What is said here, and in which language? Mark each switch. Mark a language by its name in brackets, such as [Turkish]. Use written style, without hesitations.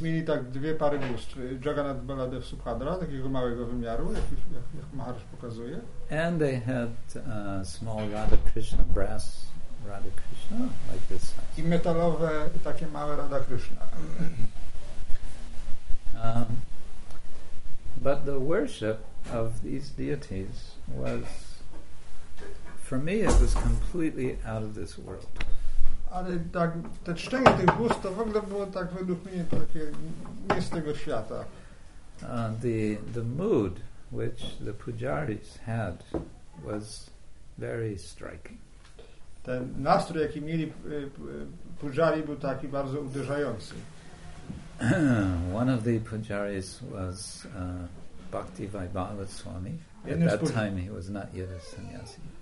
[Polish] Mieli tak dwie pary bóstw. Jagannath Baladev Subhadra, takiego małego wymiaru, jak Maharaj pokazuje. [English] And they had small Radha Krishna, brass Radha Krishna, like this size. [Polish] I metalowe, takie małe Radha Krishna. [English] But the worship of these deities was, for me, it was completely out of this world. [Polish] Ale tak, te czczenie tych bóstw to w ogóle było tak według mnie takie nie z tego świata. [English] The mood which the pujaris had was very striking. [Polish] Ten nastrój, jaki mieli pujari, był taki bardzo uderzający. [English] One of the pujaris was Bhakti Vaibhava Swami. At that time he was not yet a sannyasi.